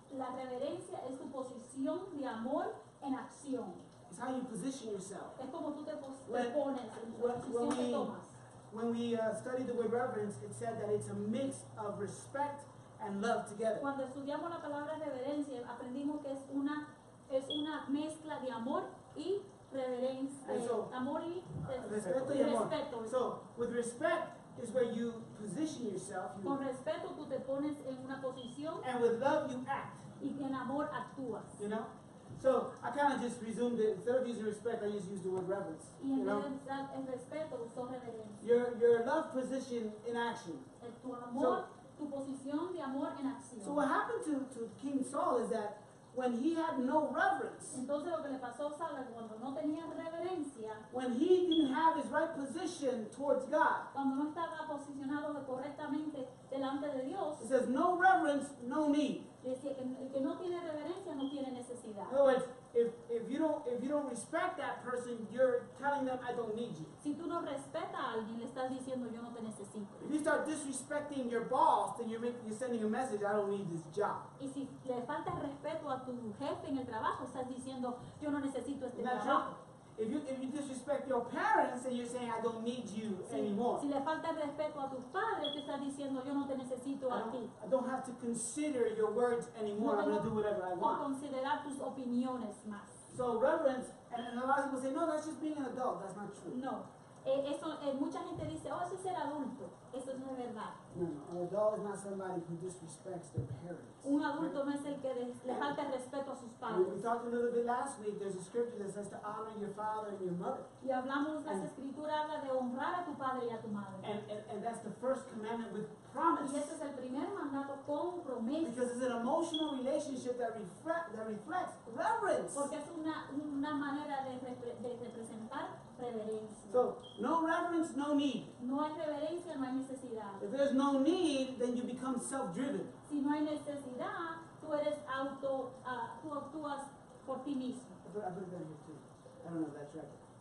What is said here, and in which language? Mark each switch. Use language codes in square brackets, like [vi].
[es] La reverencia es tu posición de amor en acción. [en] It's how you position yourself. [es] Es como tú te pones en la posición que tomas. [en] When we studied the word reverence, it said that it's a mix of respect and love together. [es] Cuando estudiamos la palabra reverencia, aprendimos que es una mezcla de amor y reverencia. Respeto y amor. [en] So, with respect is where you position yourself. [es] Con respeto, tú te pones en una posición. [en] And with love, you act. [es] Y en amor, actúas. [en] You know? So, I kind of just resumed it. Instead of using respect, I just used the word reverence. [es] Y [en] you know? [es] Respeto, uso reverencia. [en] Your love position in action. [es] Tu amor, tu posición de amor en acción. [en] So, what happened to King Saul is that when he had no reverence, [es] entonces lo que le pasó a Saul cuando no tenía reverencia, [en] when he didn't have his right position towards God, [es] cuando no estaba posicionado correctamente delante de Dios, [en] it says no reverence, no need. [es] Decía que el que no tiene reverencia no tiene necesidad. [en] No, if you don't respect that person, you're telling them I don't need you. [es] Si tú no respetas a alguien, le estás diciendo yo no te necesito. [en] If you start disrespecting your boss, then you're sending a message I don't need this job. [es] Y si le falta respeto a tu jefe en el trabajo, estás diciendo yo no necesito este trabajo. [en] Right. If you disrespect your parents, then you're saying I don't need you anymore. [es] Si le falta respeto a tus padres, te estás diciendo yo no te necesito a ti. [en] I don't have to consider your words anymore. I'm going to do whatever I want. [es] O considerar tus opiniones más. [en] So reverence, and a lot of people say, no, that's just being an adult. That's not true. [es] No, mucha gente dice, oh, eso es ser adulto. Eso no es verdad. [en] No, an adult is not somebody who disrespects their parents. [es] Un adulto no es el que le falta respeto a sus padres. [en] We talked a little bit last week. There's a scripture that says to honor your father and your mother. [es] Y hablamos, la escritura habla de honrar a tu padre y a tu madre. [en] And that's the first commandment with promise. [es] Y ese es el primer mandato con promesa. [en] Because it's an emotional relationship that reflects reverence. [es] Porque es una manera de representar reverencia. [en] So, no reverence, no need. [es] No hay reverencia, no hay necesidad. [en] If there's no need, then you become self-driven. [es] Si no hay necesidad, tú eres auto, tú actúas por ti mismo. [en] I put it down here too. I don't know if that's right.